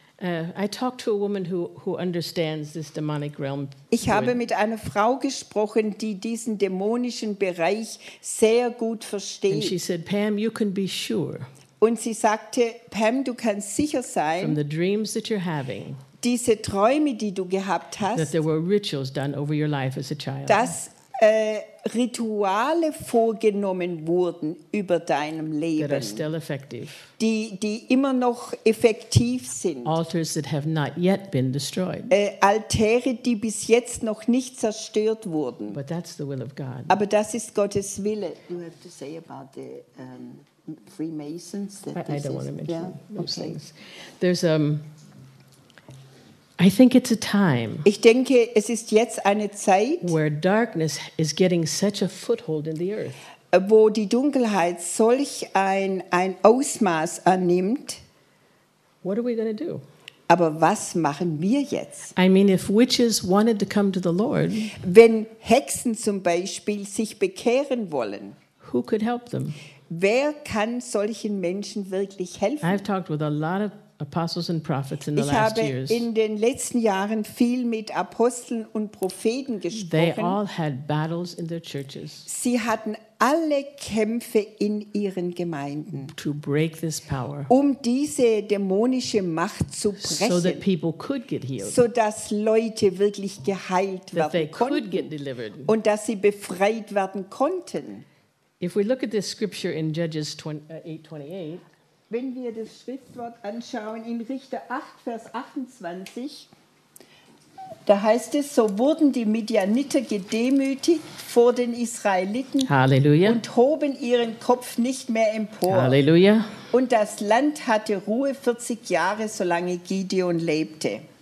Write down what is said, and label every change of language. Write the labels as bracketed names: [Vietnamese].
[English] I talked to a woman who understands this demonic realm. [German] Ich habe mit einer Frau gesprochen, die diesen dämonischen Bereich sehr gut versteht. [English] And she said, Pam, you can be sure. [German] Und sie sagte, Pam, du kannst sicher sein. [English] From the dreams that you're having. [German] Diese Träume, die du gehabt hast. [English] That there were rituals done over your life as a child. [German] Dass Rituale vorgenommen wurden über deinem Leben, [English] that are still effective. [German] Die immer noch effektiv sind. [English] Altars that have not yet been destroyed. [German] Altäre, die bis jetzt noch nicht zerstört wurden. [English] But that's the will of God. [German] Aber das ist Gottes Wille. [English] You have to say about the Freemasons. I don't want to mention yeah? those okay. things. There's I think it's a time. [German] Ich denke, es ist jetzt eine Zeit, [English] where darkness is getting such a foothold in the earth. [German] Wo die Dunkelheit solch ein Ausmaß annimmt. [English] What are we going to do? [German] Aber was machen wir jetzt? [English] I mean, if witches wanted to come to the Lord, [German] wenn Hexen zum Beispiel sich bekehren wollen, [English] who could help them? [German] Wer kann solchen Menschen wirklich helfen? [English] I've talked with a lot of apostles and prophets in the last years. [German] Ich habe in den letzten Jahren viel mit Aposteln und Propheten gesprochen. [English] They all had battles in their churches. [German] Sie hatten alle Kämpfe in ihren Gemeinden, [English] to break this power, [German] um diese dämonische Macht zu brechen, [English] so that people could get healed, [German] so dass Leute wirklich geheilt werden [English] that they [German] konnten [English] could get delivered. [German] Und dass sie befreit werden konnten. [English] If we look at this scripture in Judges 8:28, [German] wenn wir das Schriftwort anschauen in Richter 8, Vers 28, da heißt es, so wurden die Midianiter gedemütigt vor den Israeliten. Halleluja. Und hoben ihren Kopf nicht mehr empor. Halleluja. Und das Land hatte Ruhe 40 Jahre, solange Gideon lebte.